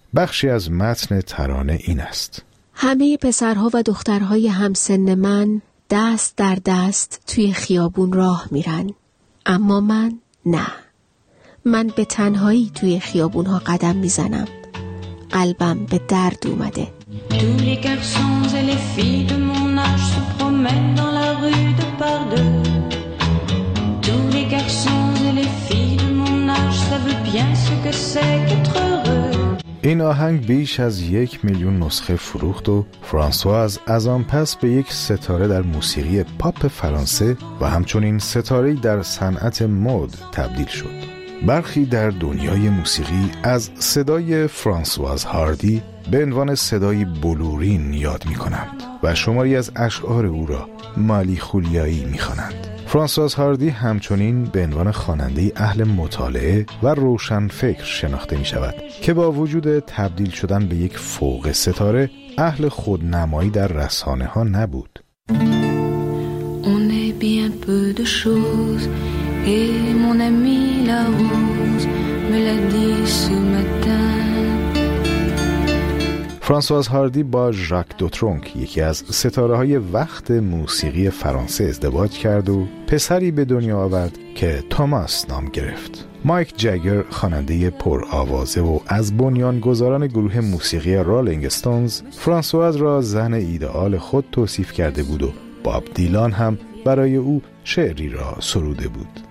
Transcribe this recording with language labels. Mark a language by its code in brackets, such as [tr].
[fa] بخشی از متن ترانه این است: همه پسرها و دخترهای همسن من دست در دست توی خیابون راه میرن، اما من نه. من به تنهایی توی خیابونها قدم میزنم. قلبم به درد اومده. [fr] Tous les garçons et les filles de mon âge se promènent dans la rue de par deux. [fa] این آهنگ بیش از 1,000,000 نسخه فروخت و فرانسواز از آن پس به یک ستاره در موسیقی پاپ فرانسه و همچنین ستاره‌ای در صنعت مد تبدیل شد. برخی در دنیای موسیقی از صدای فرانسواز هاردی به عنوان صدای بلورین یاد می کنند و شماری از اشعار او را مالی خولیایی می خوانند. فرانسواز هاردی همچنین به عنوان خواننده اهل مطالعه و روشن فکر شناخته می شود که با وجود تبدیل شدن به یک فوق ستاره اهل خودنمایی در رسانه ها نبود. [fr] Et mon ami la rose me l'a dit ce matin. [fa] فرانسواز هاردی با ژاک دوترونک یکی از ستاره‌های وقت موسیقی فرانسه ازدواج کرد و پسری به دنیا آورد که توماس نام گرفت. مایک جگر خواننده پرآوازه و از بنیانگذاران گروه موسیقی رولینگ استونز فرانسواز را زن ایدئال خود توصیف کرده بود و باب دیلان هم برای او شعری را سروده بود.